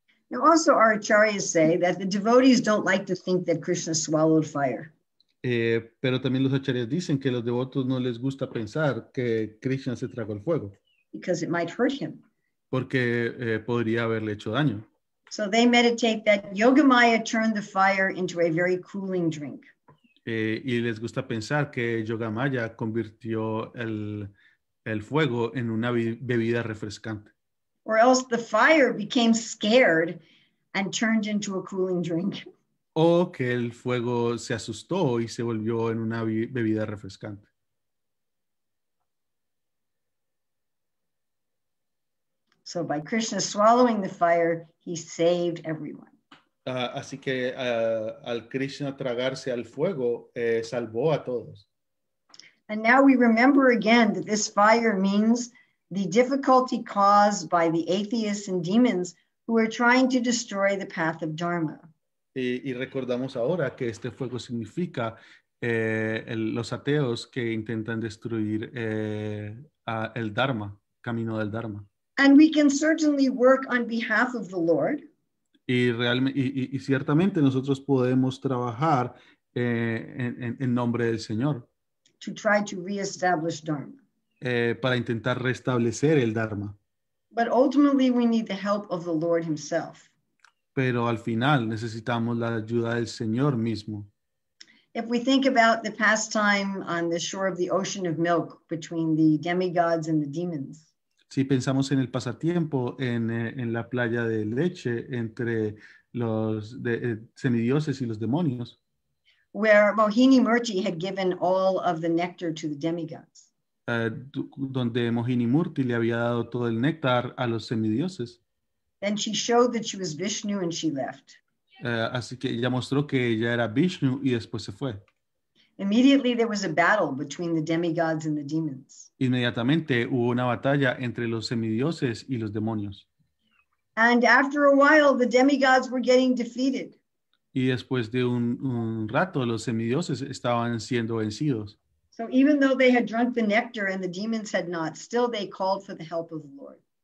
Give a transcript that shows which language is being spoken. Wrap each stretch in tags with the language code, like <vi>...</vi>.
<en>Now also our acharyas say that the devotees don't like to think that Krishna swallowed fire.</en> <es>Pero también los acharyas dicen que los devotos no les gusta pensar que Krishna se tragó el fuego.</es> <en>Because it might hurt him.</en> <es>Porque podría haberle hecho daño.</es> <en>So they meditate that Yogamaya turned the fire into a very cooling drink.</en> <es>Y les gusta pensar que Yogamaya convirtió el fuego en una bebida refrescante.</es> <en>Or else the fire became scared and turned into a cooling drink.</en> <es>O que el fuego se asustó y se volvió en una bebida refrescante.</es> <en>So by Krishna swallowing the fire, he saved everyone.</en> <es>Así que al Krishna tragarse al fuego, salvó a todos.</es> <en>And now we remember again that this fire means the difficulty caused by the atheists and demons who are trying to destroy the path of Dharma.</en> <es>Y recordamos ahora que este fuego significa los ateos que intentan destruir el Dharma, camino del Dharma.</es> <en>And we can certainly work on behalf of the Lord.</en> <es>Y ciertamente nosotros podemos trabajar en nombre del Señor.</es> <en>To try to reestablish Dharma.</en> <es>Para intentar restablecer el Dharma.</es> <en>But ultimately we need the help of the Lord himself.</en> <es>Pero al final necesitamos la ayuda del Señor mismo.</es> <en>If we think about the pastime on the shore of the ocean of milk between the demigods and the demons.</en> <es>Si pensamos en el pasatiempo en la playa de leche entre los semidioses y los demonios.</es> <en>Where Mohini Murti had given all of the nectar to the demigods.</en> <es>Donde Mohini Murti le había dado todo el néctar a los semidioses.</es> <en>And she showed that she was Vishnu and she left.</en> <es>Así que ella mostró que ella era Vishnu y después se fue.</es> <en>Immediately there was a battle between the demigods and the demons.</en> <es>Inmediatamente hubo una batalla entre los semidioses y los demonios.</es> <en>And after a while the demigods were getting defeated.</en> <es>Y después de un rato los semidioses estaban siendo vencidos.</es> <en>So even though they had drunk the nectar and the demons had not, still they called for the help of the Lord.</en>